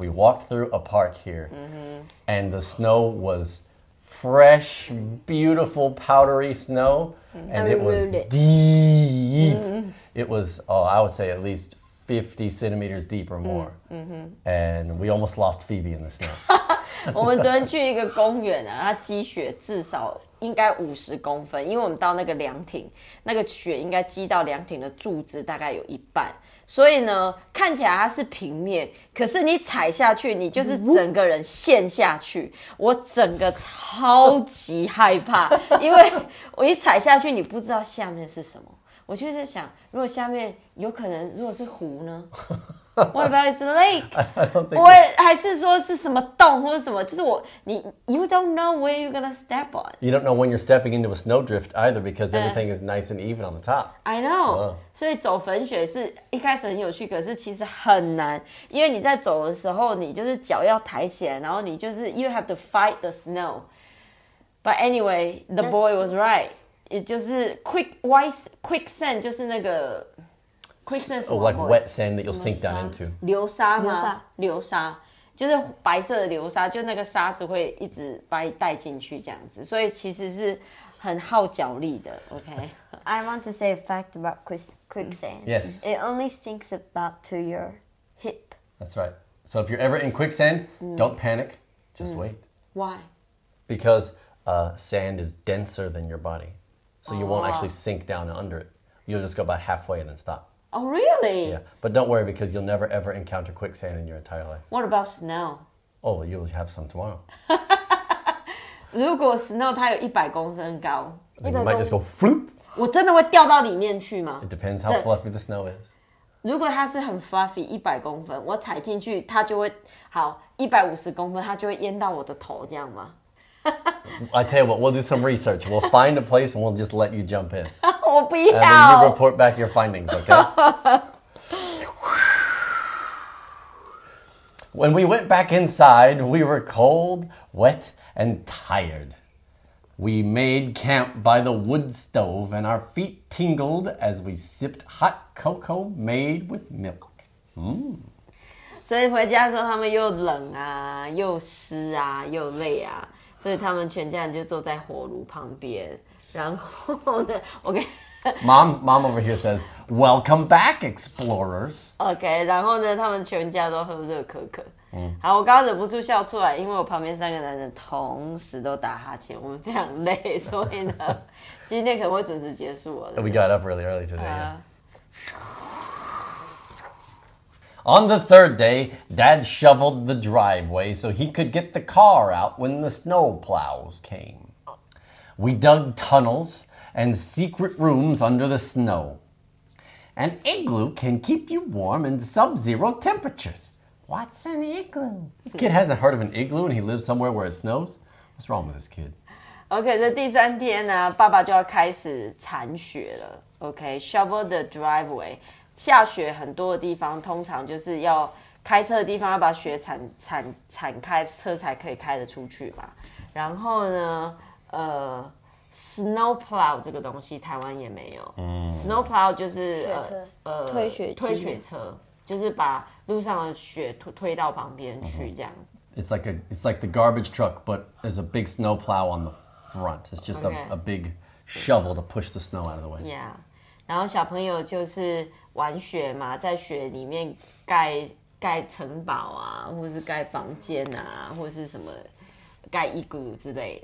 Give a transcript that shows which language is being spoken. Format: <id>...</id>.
<en>We walked through a park here, and the snow was fresh, beautiful, powdery snow, and it was deep. It was, I would say at least 50 centimeters deep or more. And we almost lost Phoebe in the snow.</en> <zh>我们昨天去一个公园啊，它积雪至少应该50公分，因为我们到那个凉亭，那个雪应该积到凉亭的柱子大概有一半。所以呢，看起来它是平面，可是你踩下去，你就是整个人陷下去。我整个超级害怕，因为我一踩下去，你不知道下面是什么。我就在想，如果下面有可能，如果是湖呢 ？</zh> <en>What about it's a lake？</en> <zh>我还是说是什么洞或者什么？就是我，你 ，</zh> <en>you don't know where you're gonna step on。 You don't know when you're stepping into a snow drift either because everything is nice and even on the top。 I know。</en> <zh>所以走粉雪是一开始很有趣，可是其实很难，因为你在走的时候，你就是脚要抬起来，然后你就是</zh> <en>you have to fight the snow。 But anyway, the boy was right。 It just quicksand,</en> <zh>就是那个</zh> <en>quicksand, oh, like wet sand that you'll sink down into.</en> <zh>流沙吗？流沙，就是白色的流沙，就那个沙子会一直把你带进去这样子，所以其实是很耗脚力的。</zh> <en>Okay. I want to say a fact about quicksand. Yes. It only sinks about to your hip. That's right. So if you're ever in quicksand, don't panic. Just wait. Why? Because sand is denser than your body. So you won't actually sink down under it. You'll just go about halfway and then stop. Oh, really? Yeah. But don't worry because you'll never ever encounter quicksand in your entire life. What about snow? Oh, you'll have some tomorrow.</en> <zh>如果 snow 它有100公升高</zh> <en>then you might just go floop.</en> <zh>我真的会掉到里面去吗</zh> <en>It depends how fluffy the snow is.</en> <zh>如果它是很 fluffy 100公分，我踩进去它就会好150公分，它就会淹到我的头这样吗？</zh> <en>I tell you what, we'll do some research. We'll find a place and we'll just let you jump in.</en> <zh>我不要。</zh> <en>And then you report back your findings, okay? When we went back inside, we were cold, wet, and tired. We made camp by the wood stove and our feet tingled as we sipped hot cocoa made with milk. Mm.</en> <zh>所以回家的时候他们又冷啊，又湿啊，又累啊。所以他们全家人就坐在火炉旁边，然后呢 ，OK，</zh> <en>Mom over here says welcome back explorers.</en> <zh>OK， 然后呢，他们全家都喝热可可。嗯，好，我刚刚忍不住笑出来，因为我旁边三个男人同时都打哈欠，我们非常累，所以呢，今天可能会准时结束了。</zh> <en>We got up really early today.、On the third day, Dad shoveled the driveway so he could get the car out when the snow plows came. We dug tunnels and secret rooms under the snow. An igloo can keep you warm in sub-zero temperatures. What's an igloo? This kid hasn't heard of an igloo and he lives somewhere where it snows? What's wrong with this kid? Okay, so</en> <zh>第三天呢，爸爸就要开始铲雪了。</zh> <en>Okay, shovel the driveway.</en> <zh>下雪很多的地方通常就是要开车的地方要把雪铲开车才可以开得出去嘛。然后呢snow plow 这个东西台湾也没有。 snow plow 就是推雪车就是把路上的雪推到旁边去这样。</zh> <en>It's like the garbage truck, but there's a big snow plow on the front. It's just a big shovel to push the snow out of the way. Yeah.</en> <zh>然后小朋友就是玩雪嘛，在雪里面盖城堡啊，或是盖房间啊，或是什么盖igloo之类。</zh>